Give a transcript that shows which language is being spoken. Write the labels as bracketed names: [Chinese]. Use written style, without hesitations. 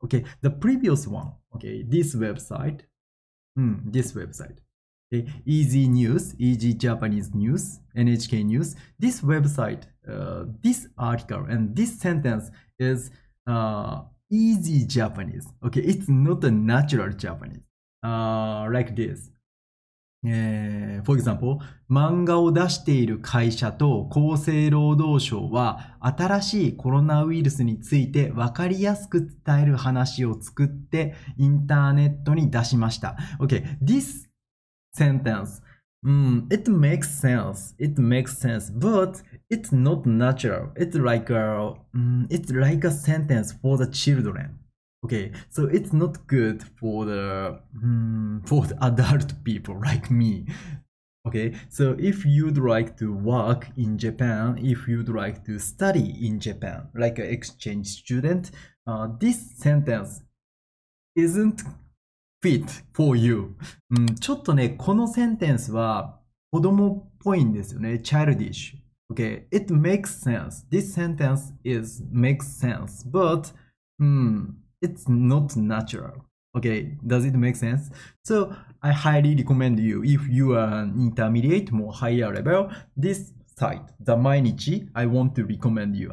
[English] Okay, the previous one. Okay, this website. This website, okay, Easy News, Easy Japanese News, NHK News. This website, this article, and this sentence is Easy Japanese. Okay, it's not a natural Japanese. Like this. For example, [Japanese] 漫画を出している会社と厚生労働省は新しいコロナウイルスについて分かりやすく伝える話を作ってインターネットに出しました。 [English] Okay, this sentence, it makes sense, it makes sense, but it's not natural. It's like a, it's like a sentence for the children. Okay, so it's not good for the, for the adult people like me. Okay, so if you'd like to work in Japan, if you'd like to study in Japan, like an exchange student, this sentence isn't fit for you. [Japanese] ちょっとね、このセンテンスは子供っぽいんですよね。 [English] Childish. Okay, it makes sense. This sentence is makes sense, but, It's not natural. Okay, does it make sense? So I highly recommend you, if you are an intermediate, more higher level, this site, the 毎日, I want to recommend you.